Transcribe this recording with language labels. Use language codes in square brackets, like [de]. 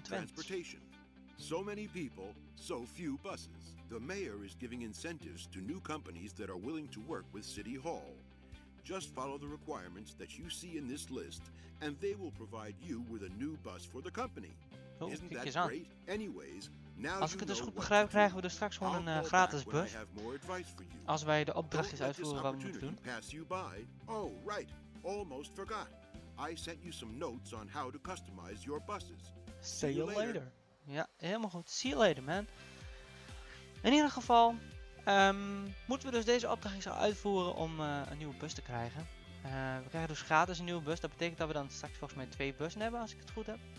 [en] transportation. So many people, so few buses. The mayor is giving incentives to new companies that are willing to work with City Hall. Just follow the requirements that you see in this list and they will provide you with a new bus for the company. Oh, isn't that [nl] aan. [en] Great? Anyways, [nl] als ik het dus goed begrijp, krijgen we dus straks gewoon een gratis bus. Als wij de opdrachtjes uitvoeren wat we moeten doen. [en] Oh, right. Almost forgot. I sent you some notes on how to customize your buses. See you later. [nl] Ja, helemaal goed. [en] See you later, man. [nl] In ieder geval moeten we dus deze opdrachtjes uitvoeren om een nieuwe bus te krijgen. We krijgen dus gratis een nieuwe bus. Dat betekent dat we dan straks volgens mij twee bussen hebben, als ik het goed heb.